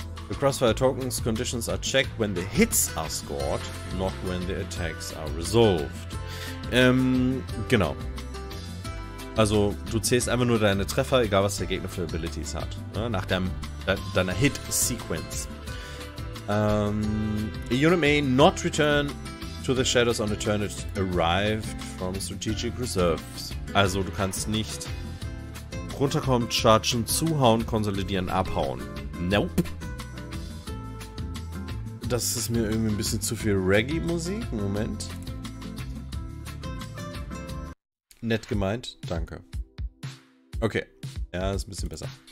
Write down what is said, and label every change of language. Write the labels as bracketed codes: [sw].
[en] The Crossfire Tokens conditions are checked when the hits are scored, not when the attacks are resolved. [de] Genau. Also, du zählst einfach nur deine Treffer, egal was der Gegner für Abilities hat. Ja, nach deiner Hit-Sequence. [en] A unit may not return to the shadows on a turn it arrived from strategic reserves. [de] Also, du kannst nicht runterkommen, chargen, zuhauen, konsolidieren, abhauen. Nope. Das ist mir irgendwie ein bisschen zu viel Reggae-Musik. Moment. Nett gemeint, danke. Okay, ja, ist ein bisschen besser.